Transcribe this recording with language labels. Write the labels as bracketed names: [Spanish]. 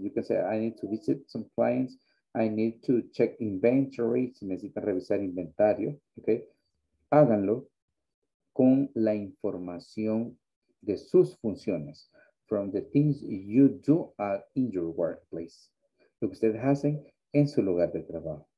[English] You can say, I need to visit some clients. I need to check inventory, [Spanish] si necesitan revisar inventario. Ok, háganlo con la información de sus funciones. [English] From the things you do in your workplace. [Spanish] Lo que ustedes hacen en su lugar de trabajo.